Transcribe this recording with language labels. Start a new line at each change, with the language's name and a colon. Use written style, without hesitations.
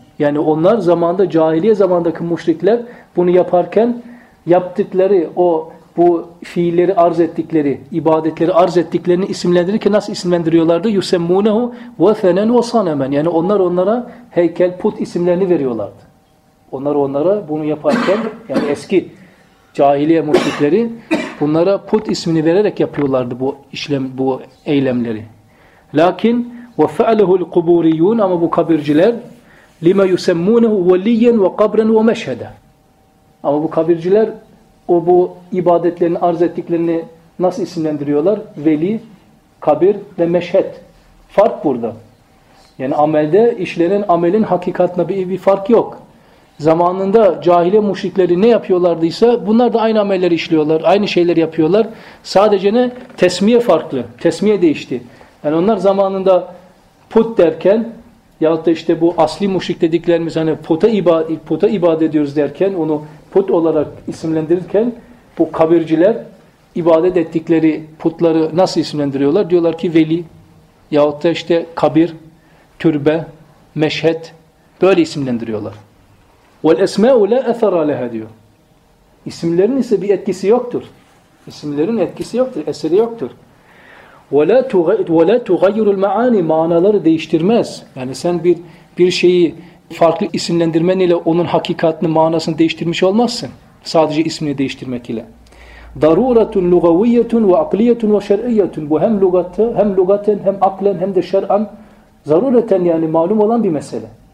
Turkish: Yani onlar zamanda, cahiliye zamandaki müşrikler bunu yaparken yaptıkları o bu fiilleri arz ettikleri, ibadetleri arz ettiklerini isimlendirirken nasıl isimlendiriyorlardı?
Arabic: يُسَمُّونَهُ وَثَنًا وَصَنَمًا.
Turkish: Yani onlar onlara heykel, put isimlerini veriyorlardı. Onlar onlara bunu yaparken, yani eski cahiliye müşrikleri bunlara put ismini vererek yapıyorlardı bu işlem, bu eylemleri.
Arabic: Lakin وَفَعَلَهُ الْقُبُورِيُّونَ,
Turkish: ama bu kabirciler
Arabic: لِمَا يُسَمُّونَهُ وَلِيًّا وَقَبْرًا وَمَشْهَدًا.
Turkish: Ama bu kabirciler o bu ibadetlerini arz ettiklerini nasıl isimlendiriyorlar? Veli, kabir ve meşhed. Fark burada. Yani amelde işlenen amelin hakikatına bir fark yok. Zamanında cahiliye müşrikleri ne yapıyorlardıysa bunlar da aynı amelleri işliyorlar, aynı şeyler yapıyorlar. Sadece ne? Tesmiye farklı. Tesmiye değişti. Yani onlar zamanında put derken yahut da işte bu asli müşrik dediklerimiz hani puta ibadet ediyoruz derken, onu put olarak isimlendirirken bu kabirciler ibadet ettikleri putları nasıl isimlendiriyorlar? Diyorlar ki veli yahut da işte kabir, türbe, meşhed, böyle isimlendiriyorlar.
Arabic: وَالْاَسْمَاءُ لَا اَثَرَ لَهَا
Turkish: diyor. İsimlerin ise bir etkisi yoktur. İsimlerin etkisi yoktur, eseri yoktur.
Arabic: وَلَا تُغَيِّرُ الْمَعَانِ,
Turkish: manaları değiştirmez. Yani sen bir şeyi farklı isimlendirmen ile onun hakikatini, manasını değiştirmiş olmazsın. Sadece ismini değiştirmek ile.
Arabic: ضَرُورَةٌ لُغَوِيَّةٌ وَعَقْلِيَّةٌ وَشَرْئِيَّةٌ.
Turkish: Bu hem lügatı, hem lügaten, hem aklen, hem de şer'an. Zarureten yani malum olan bir mesele.